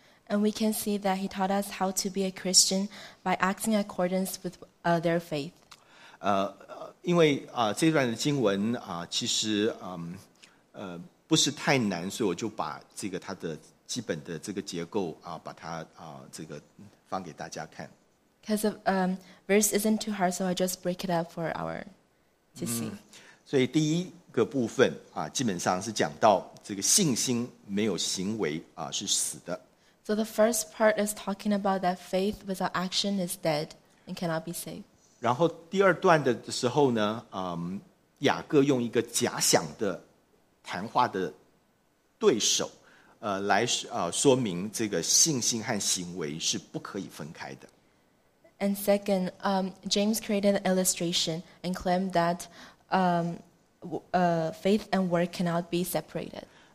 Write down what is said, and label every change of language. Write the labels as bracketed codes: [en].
[en] And we can see that he taught us how to be a Christian by acting in accordance with their faith. [zh] 因为这段的经文其实不是太难，所以我就把这个它的基本的这个结构把它这个放给大家看。 [en] Because of verse isn't too hard, so I just break it up for our to see. [zh] 所以第一个部分基本上是讲到这个信心没有行为是死的。 [en] So the first part is talking about that faith without action is dead and cannot be saved. [zh] 然后第二段的时候呢，雅各用一个假想的谈话的对手，来说明这个信心和行为是不可以分开的。 [en] And second, James created an illustration and claimed that faith and work cannot be separated.